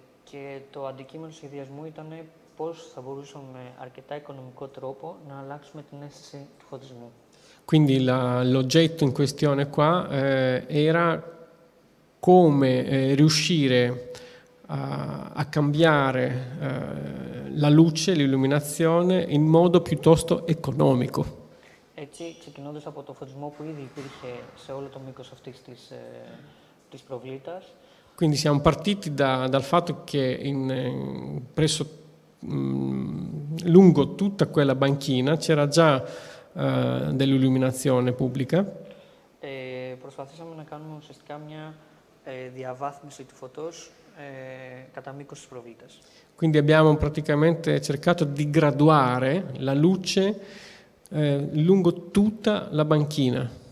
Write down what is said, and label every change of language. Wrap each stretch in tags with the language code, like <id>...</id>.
<el>Και το αντικείμενο σχεδιασμού ήταν πώς θα μπορούσαμε με αρκετά οικονομικό τρόπο να αλλάξουμε την αίσθηση του φωτισμού.</el> <it>Quindi la, l'oggetto in questione qua era come riuscire a cambiare la luce, l'illuminazione in modo piuttosto economico.</it> <el>Έτσι, ξεκινώντας από το φωτισμό που ήδη υπήρχε σε όλο το μήκος αυτής της, της προβλήτας.</el> <it>Quindi siamo partiti da, dal fatto che in, presso lungo tutta quella banchina c'era già dell'illuminazione pubblica.</it> <el>Προσπαθήσαμε να κάνουμε ουσιαστικά μια διαβάθμιση του φωτός κατά μήκος της προβλήτας.</el> <it>Quindi abbiamo praticamente cercato di graduare la luce lungo tutta la banchina.</it>